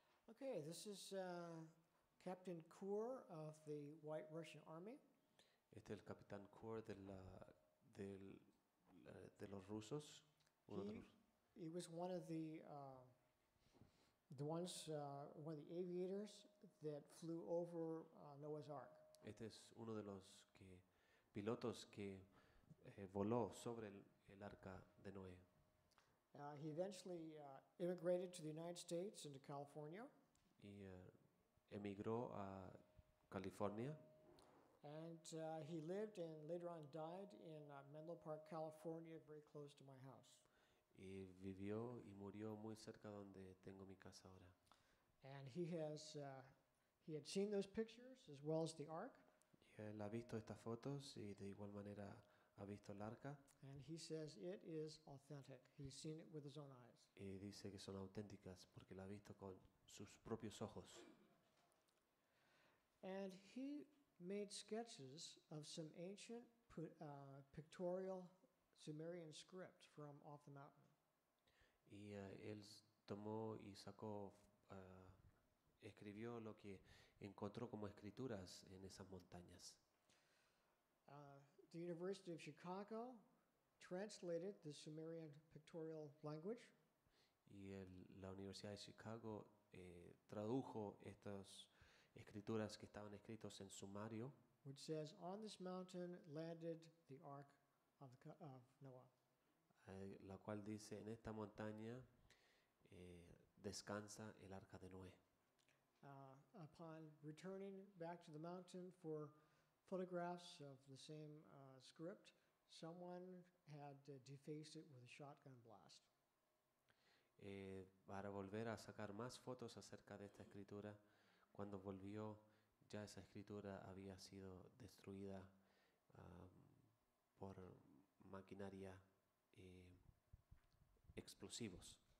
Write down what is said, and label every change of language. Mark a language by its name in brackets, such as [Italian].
[English] Okay, this is Captain Kur of the White Russian Army. [Spanish] Este es el Capitán Kur de los rusos. [English] He was one of one of the aviators that flew over Noah's Ark. [Spanish] Este es uno de los que pilotos que voló sobre el arca de Noé. [English] He eventually immigrated to the United States into California. [Spanish] Y emigró a California. [English] And he lived and later on died in Menlo Park, California, very close to my house. [Spanish] Y vivió y murió muy cerca donde tengo mi casa ahora. [English] And he had seen those pictures as well as the ark. [Spanish] Y él ha visto estas fotos y de igual manera ha visto el arca. [English] And he says it is authentic. He's seen it with his own eyes. [Spanish] Y dice que son auténticas porque la ha visto con sus propios ojos. [English] And he made sketches of some ancient pictorial Sumerian script from off the mountain. [Spanish] Y él tomó y sacó, escribió lo que encontró como escrituras en esas montañas. [English] The University of Chicago translated the Sumerian pictorial language. [Spanish] Y la Universidad de Chicago tradujo estas escrituras que estaban escritos en Sumerio. [English] Which says, on this mountain landed the ark of Noah. [Spanish] La cual dice, en esta montaña descansa el arca de Noé. [English] Upon returning back to the mountain for photographs of the same script, someone had defaced it with a shotgun blast. [Spanish] Para volver a sacar más fotos acerca de esta escritura, cuando volvió, ya esa escritura había sido destruida por maquinaria y explosivos.